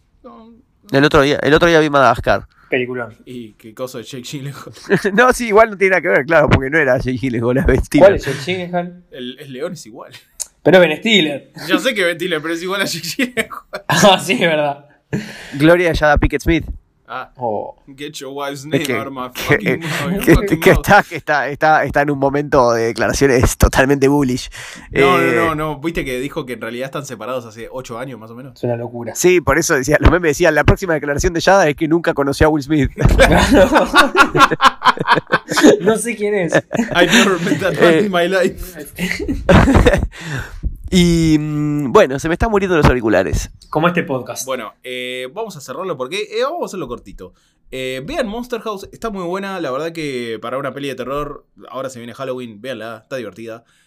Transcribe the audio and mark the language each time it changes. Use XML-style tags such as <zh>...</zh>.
<es>No. El otro día vi Madagascar. Película. Y qué cosa de Jake Gyllenhaal. No, sí, igual no tiene nada que ver, claro, porque no era Jake Gyllenhaal, es Ben Stiller. ¿Cuál es Jake Gyllenhaal? El león es igual. Pero Ben Stiller. Yo sé que Ben Stiller, pero es igual a Jake Gyllenhaal. Ah, sí, es verdad. Gloria Shada Pickett Smith.</es> <en>Get your wife's name out of my fucking mouth.</en> <es>Que está en un momento de declaraciones totalmente bullish. No, viste que dijo que en realidad están separados hace 8 años más o menos. Es una locura. Sí, por eso decía, los memes decían, la próxima declaración de Shada es que nunca conoció a Will Smith. No sé quién es.</es> <en>I never met that one in my life.</en> <es>Y bueno, se me están muriendo los auriculares. Como este podcast. Bueno, vamos a cerrarlo porque vamos a hacerlo cortito. Vean Monster House, está muy buena. La verdad que para una peli de terror, ahora se viene Halloween, véanla, está divertida.</es>